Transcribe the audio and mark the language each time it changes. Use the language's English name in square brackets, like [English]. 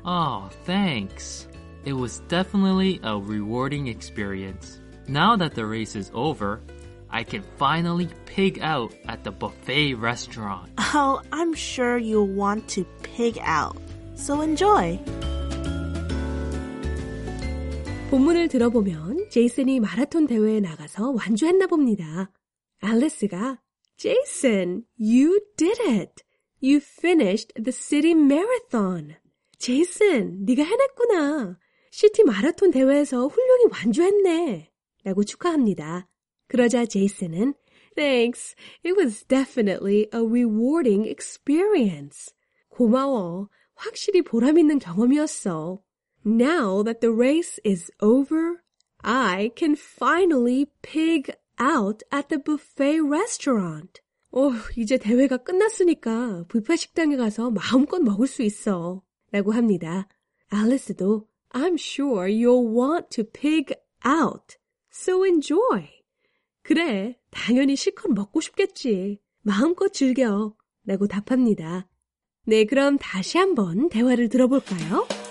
[English] Oh, thanks. It was definitely a rewarding experience. Now that the race is over, I can finally pig out at the buffet restaurant. Oh, I'm sure you'll want to pig out. So enjoy! [Korean] 본문을 들어보면 제이슨이 마라톤 대회에 나가서 완주했나 봅니다. 앨리스가 [English] Jason, you did it! You finished the city marathon! Jason, [Korean] 네가 해냈구나! 시티 마라톤 대회에서 훌륭히 완주했네! 라고 축하합니다. 그러자 제이슨은 [English] Thanks. It was definitely a rewarding experience. [Korean] 고마워. 확실히 보람 있는 경험이었어. [English] Now that the race is over, I can finally pig out at the buffet restaurant. [Korean] 이제 대회가 끝났으니까 뷔페 식당에 가서 마음껏 먹을 수 있어. 라고 합니다. 앨리스도 [English] I'm sure you'll want to pig out. So enjoy. [Korean] 그래, 당연히 실컷 먹고 싶겠지. 마음껏 즐겨, 라고 답합니다. 네, 그럼 다시 한번 대화를 들어볼까요?